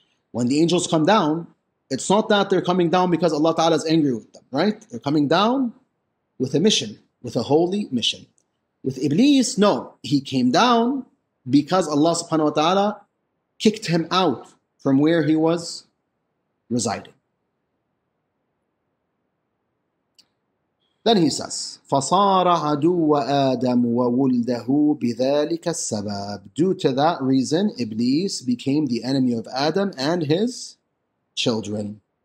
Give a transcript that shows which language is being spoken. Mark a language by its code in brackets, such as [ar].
[en] When the angels come down, it's not that they're coming down because Allah Ta'ala is angry with them, right? They're coming down with a mission, with a holy mission. With Iblis, no. He came down because Allah Subhanahu Wa Ta'ala kicked him out from where he was residing. [ar] Then he says, فَصَارَ عَدُوَّ آدَمُ وَوُلْدَهُ بِذَٰلِكَ السَّبَابِ. [en] Due to that reason, Iblis became the enemy of Adam and his children.